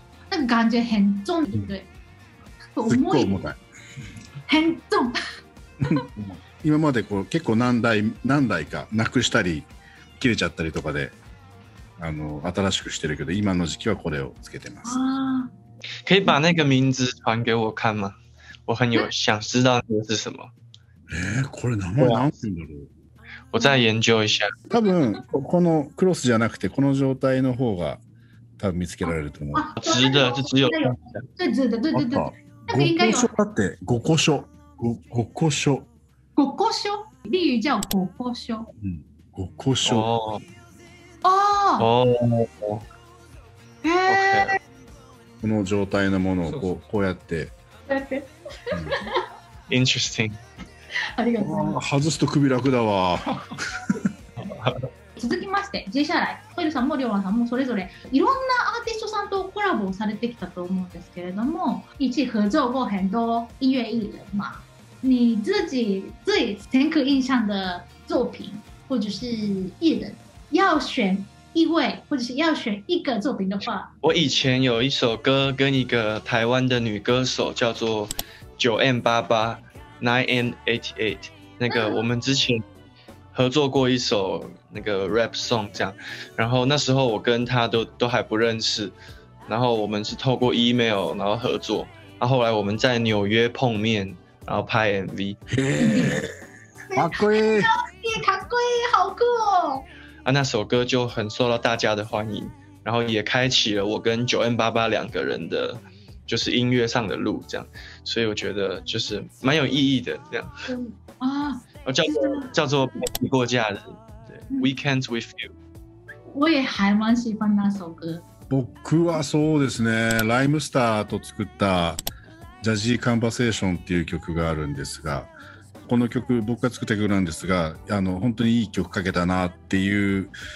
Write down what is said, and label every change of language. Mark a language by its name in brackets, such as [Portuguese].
[Chinese] 那个感觉很重，对不对？ [Japanese] 重い。 [Chinese] 很重。 [Japanese] 今までこう結構何台かなくしたり切れちゃったりとかで、あの新しくしてるけど、今の時期はこれをつけてます。 [Chinese] 可以把那个名字传给我看吗？我很有想知道那是什么。 [Japanese] これ名前なんていうんだろう。 [Chinese] 我再研究一下。 [Japanese] 多分このクロスじゃなくてこの状態の方が多分見つけられると思う。 [Chinese] あ、直的、就只有。对对对对对。なん [Japanese] か五箇所だって、五箇所、五箇所。五箇所？ [Chinese] 例如叫 [Japanese] 五箇所。五箇所。ああ。へえ。この状態のものをこうこうやって。 [English] Interesting。 [Japanese] ありがとうございます。外すと首楽だわ。続きまして、 [Chinese] 接下来、 [Japanese] トイルさんもリョーマさんもそれぞれいろんなアーティストさんとコラボをされてきたと思うんですけれども、 [Chinese] 一起合作过很多音乐艺人嘛。你自己最深刻印象的作品或者是艺人，要选一位或者是要选一个作品的话，我以前有一首歌跟一个台湾的女歌手叫做9M88。 9N88，那个我们之前合作过一首那个 rap song 这样，然后那时候我跟他都还不认识，然后我们是透过 email 然后合作，然后后来我们在纽约碰面，然后拍 MV，好酷，也卡酷，好酷哦！啊，那首歌就很受到大家的欢迎，然后也开启了我跟9N88两个人的。就是音乐上的路这样，所以我觉得就是蛮有意义的这样。嗯啊，叫做陪你过假日，对、嗯、， [English] Weekends with you。 [Chinese] 我也还蛮喜欢那首歌。 [Japanese] 僕はそうですね、ライムスターと作ったジャジーカンバセーションっていう曲があるんですが、この曲僕が作った曲なんですが、あの本当にいい曲かけたなっていう。